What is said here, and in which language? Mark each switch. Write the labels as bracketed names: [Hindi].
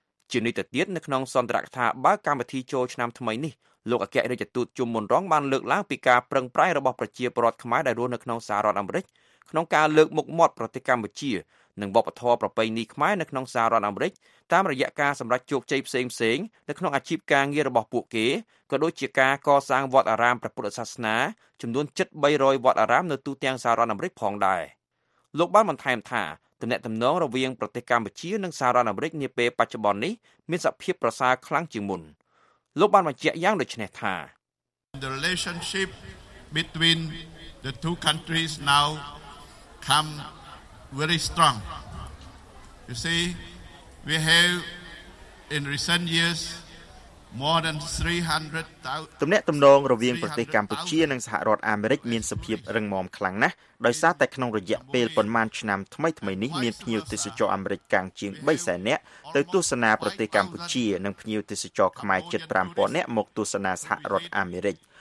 [Khmer] ជានេះទៅទៀតនៅក្នុងសន្ទរកថាបើកម្មវិធីចូលឆ្នាំថ្មីនេះលោកអគ្គរដ្ឋទូតជុំមុនរងបានលើកឡើងពីការប្រឹងប្រែងរបស់ប្រជាពលរដ្ឋខ្មែរដែលរស់នៅក្នុងសហរដ្ឋអាមេរិកក្នុងការលើកមុខមាត់ប្រទេសកម្ពុជានិងវប្បធម៌ប្រពៃណីខ្មែរនៅក្នុងសហរដ្ឋអាមេរិកតាមរយៈការសម្រេចជោគជ័យផ្សេងៗនៅក្នុងអាជីពការងាររបស់ពួកគេក៏ដូចជាការកសាងវត្តអារាមព្រះពុទ្ធសាសនាចំនួន7300វត្តអារាមនៅទូទាំងសហរដ្ឋអាមេរិកផងដែរ លោកបានបន្ថែមថាទំនាក់ទំនងរវាងប្រទេសកម្ពុជានិងសហរដ្ឋអាមេរិកនាពេលបច្ចុប្បន្ននេះមានសភាពប្រសើរខ្លាំងជាងមុនលោកបានបញ្ជាក់យ៉ាងដូចនេះថា [English] The relationship between the two countries now come very strong you see We have in recent years more than 300,000 [Khmer] ទំនាក់ទំនងរវាងប្រទេសកម្ពុជានិងសហរដ្ឋអាមេរិកមានសភាពរឹងមាំខ្លាំងណាស់ដោយសារតែក្នុងរយៈពេលប៉ុន្មានឆ្នាំថ្មីៗនេះមានភ្ញៀវទេសចរអាមេរិកកាំងជាង300,000នាក់ទៅទស្សនាប្រទេសកម្ពុជានិងភ្ញៀវទេសចរខ្មែរជិត5,000នាក់មកទស្សនាសហរដ្ឋអាមេរិក